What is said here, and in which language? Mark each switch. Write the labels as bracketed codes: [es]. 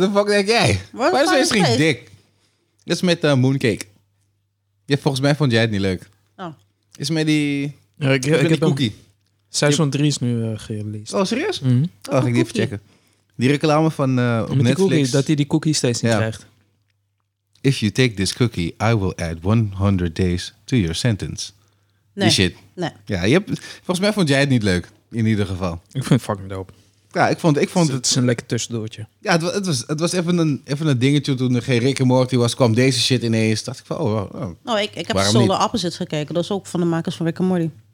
[nl] de fuck denk jij? Waarom Final Space ging dik. Dat is met Mooncake. Ja, volgens mij vond jij het niet leuk. Oh. Is met die... Ja, ik heb cookie. Seizoen 3 is nu gereleased. Oh, serieus? Mm-hmm. Oh, ga ik die even checken. Die reclame van op Netflix. Cookie, dat hij die cookie steeds niet krijgt. [en] If you take this cookie, I will add 100 days to your sentence. [nl] Nee. Die shit. Nee. Ja, je hebt, volgens mij vond jij het niet leuk. In ieder geval. Ik vind het fucking dope. Ja, ik vond het is een lekker tussendoortje. Ja, het was even een dingetje toen er geen Rick en Morty was. Kwam deze shit ineens. Dacht ik van, ik heb Solo Opposites gekeken. Dat is ook van de makers van Rick en Morty.